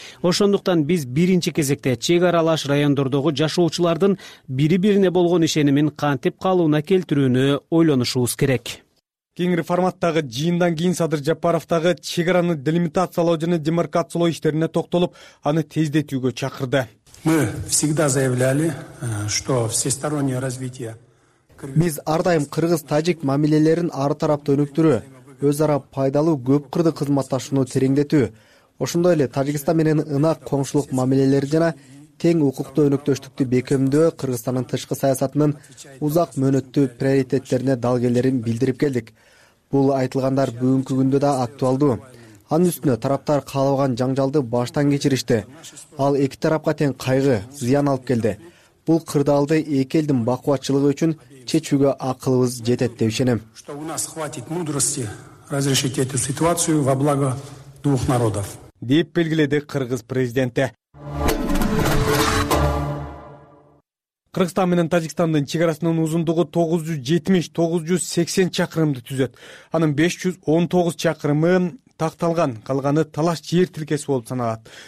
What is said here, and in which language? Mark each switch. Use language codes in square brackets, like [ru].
[ky] Ошондуктан биз биринчи кезекте чек аралаш райондордогу жашоочулардын бири бирине болгон ишенимин кантип калыбына келтирүү ойлонушубуз керек. Кеңири форматтагы жыйындан кийин Садыр Жапаров дагы чек араны делимитациялоо жана демаркациялоо иштерине токтолуп, аны тездетүүгө чакырды. [ru] Мы всегда заявляли, что всестороннее развитие. [ky] Биз ар дайым кыргыз-тажик мамилелерин ар тарапта өнүктүрүү, өз ара пайдалуу көп кырдык кызматташууну тереңдетүү, ошондой эле Тажикстан менен ынак коңшулук мамилелери жана тең укуктуу өнөктөштүктү бекемдөө Кыргызстандын тышкы саясатынын узак мөөнөттүү приоритеттерине дал келерин билдирип келдик. Бул айтылгандар бүгүнкү күндө да актуалдуу. Анын үстүнө тараптар каалаган жаңжалды баштан кечиришти. Ал эки тарапка тең кайгы, зыян алып келди. Бул кырдаалды эки элдин бакубатчылыгы үчүн чечүүгө акылыбыз жетет деп ишенем. [ru] Что у нас хватит мудрости разрешить эту ситуацию во благо двух народов. [ky] Деп белгиледи кыргыз президенти. Кыргызстан менен Тажикстандын чек арасынын узундугу 970-980 чакырымды түзөт. Анын 519 чакырымы такталган, калганы талаш жер тилкеси болуп саналат.